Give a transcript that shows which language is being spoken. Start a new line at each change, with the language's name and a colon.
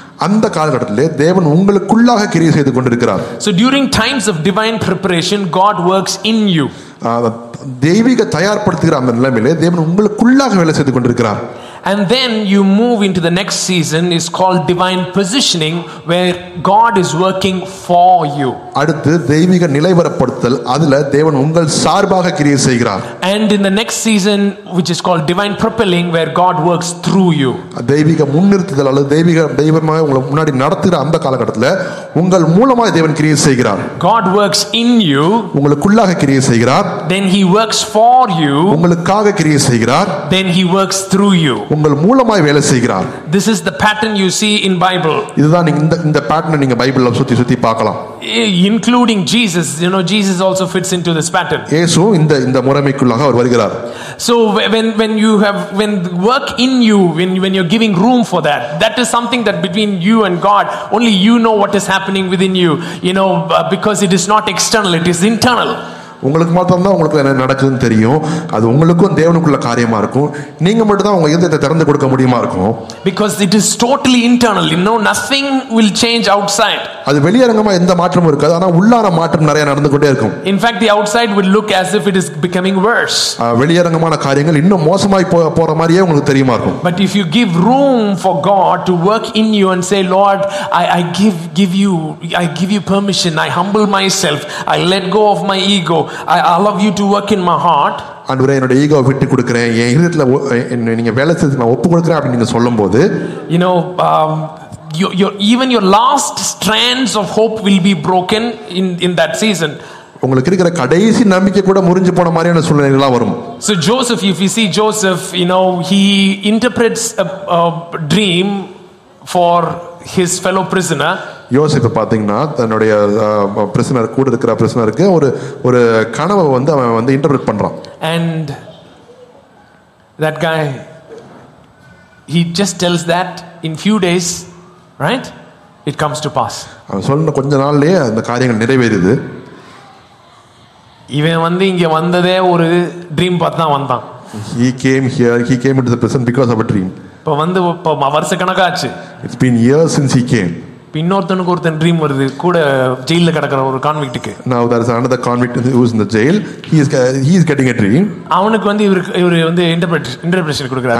Tamil: அந்த காலகட்டத்திலே தேவன் உங்களுக்குள்ளாக கிரியை செய்து கொண்டிருக்கிறார்.
English: So during times of divine preparation, God works in you.
Tamil: தெய்வீக தயார்படுத்துகிற அந்த நிலையிலே தேவன் உங்களுக்குள்ளாக வேலை செய்து கொண்டிருக்கிறார்.
English: And then you move into the next season is called divine positioning, where God is working for you.
Tamil: அடுத்து தெய்வீக நிலைவரப்படுத்தல், அதுல தேவன் உங்கள் சார்பாக கிரியை செய்கிறார்.
English: And in the next season, which is called divine propelling, where God works through you.
Tamil: தெய்வீக முன்னிறுத்துதல் அல்லது தெய்வீக தெய்வமாய் உங்களை முன்னாடி நடத்துற அந்த காலகட்டத்துல உங்கள் மூலமாய் தேவன் கிரியை செய்கிறார்.
English: God works in you.
Tamil: உங்களுக்குள்ளாக கிரியை செய்கிறார்.
English: Then he works for you.
Tamil: உங்களுக்காக கிரியை செய்கிறார்.
English: Then he works through you.
Tamil: உங்கள் மூலமாய் வேலை செய்கிறார்.
English: This is the pattern you see in Bible.
Tamil: இதுதான் இந்த பாட்டர்ன் நீங்க பைபிள்ல சுத்தி சுத்தி பார்க்கலாம்.
English: Including Jesus, you know, Jesus also fits into this pattern.
Tamil: இயேசு இந்த முறைமைக்குள்ளாக அவர் வருகிறார்.
English: So when work in you, when you're giving room for that, that is something that between you and God, only you know what is happening within you, you know, because it is not external, it is internal.
Tamil: உங்களுக்கு மட்டும் தான் உங்களுக்கு என்ன நடக்குதுன்னு தெரியும். அது உங்களுக்கும் தேவனுக்குள்ள காரியமா இருக்கும். நீங்க மட்டும் தான் உங்க இதயத்தை திறந்து கொடுக்க முடியுமா இருக்கும்.
English: Because it is totally internal. You know, nothing will change outside.
Tamil: அது வெளியரங்கமா எந்த மாற்றமும் இருக்காது. ஆனா உள்ளான மாற்றம் நிறைய நடந்துட்டே இருக்கும்.
English: In fact, the outside will look as if it is becoming worse.
Tamil: வெளியரங்கமான காரியங்கள் இன்னும் மோசமாய் போற மாதிரியே உங்களுக்கு தெரியுமா இருக்கும்.
English: But if you give room for God to work in you and say, Lord, I give you permission. I humble myself. I let go of my ego. I allow you to work in my heart.
Tamil: ஆண்டவரே என்னோட ஈகோவை விட்டு கொடுக்கிறேன், என் இதயத்துல நீங்க வேலை செய்து நான் ஒப்பு கொடுக்கிறேன் அப்படின்னு நீங்க சொல்லும்போது,
English: you know, your last strands of hope will be broken in that season.
Tamil: உங்களுக்கு இருக்கிற கடைசி நம்பிக்கை கூட முறிஞ்சு போன மாதிரியான சூழ்நிலைகள்லாம் வரும்.
English: So Joseph, if you see Joseph, you know, he interprets a dream for his fellow prisoner.
Tamil: யோசிப்ப பாத்தீங்கன்னா தன்னுடைய பிரசனர் கூட இருக்கிற பிரசனருக்கு ஒரு கனவை வந்து அவன் வந்து இன்டர்பிரட் பண்றான்.
English: And that guy, he just tells that in few days, right? It comes to pass.
Tamil: அவன் சொன்ன கொஞ்ச நாள்லயே அந்த காரியங்கள் நிறைவேறுது. இவன் வந்து இங்க வந்ததே ஒரு ட்ரீம் பார்த்தா வந்தான்.
English: He came into the prison because of a dream.
Tamil: இப்ப வந்து இப்ப வருஷ கணக்காச்சு.
English: It's been years since he came.
Tamil: இன்னொருத்தனுக்கு ஒருத்தன் ட்ரீம் வருது கூட ஜெயில கிடக்குற ஒரு கான்விக்ட்க்கு.
English: Now there is another convict who is in the jail. He is getting a dream.
Tamil: அவனுக்கு வந்து இவர் வந்து இன்டர்ப்ரெட்டேஷன் கொடுக்கறாரு.